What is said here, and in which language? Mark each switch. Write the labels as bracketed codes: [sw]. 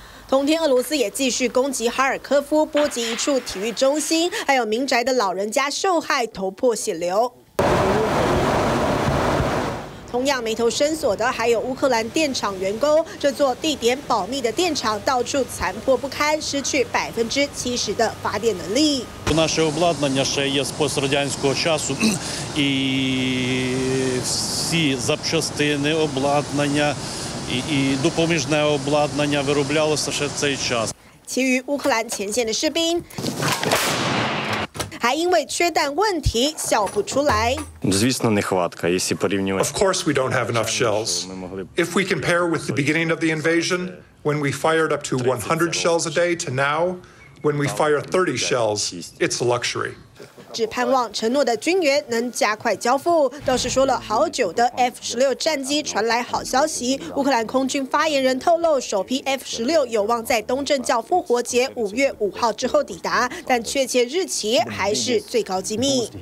[zh] 同天，俄罗斯也继续攻击哈尔科夫，波及一处体育中心，还有民宅的老人家受害，头破血流。同样眉头深锁的还有乌克兰电厂员工，这座地点保密的电厂到处残破不堪，失去70%的发电能力。 [uk] У нашого обладнання ще є з пострадянського часу, і всі запчастини обладнання і допоміжне обладнання вироблялося ще в цей час. [zh] 其余乌克兰前线的士兵还因为缺弹问题笑不出来。 [uk] Звісно, нехватка, якщо порівнювати. [en] Of course we don't have enough shells. If we compare with the beginning of the invasion, when we fired up to 100 shells a day, to now, when we fire 30 shells, it's a luxury. [zh] 只盼望承诺的军援能加快交付。倒是说了好久的 F-16 战机传来好消息，乌克兰空军发言人透露，首批 F-16 有望在东正教复活节5月5号之后抵达，但确切日期还是最高机密。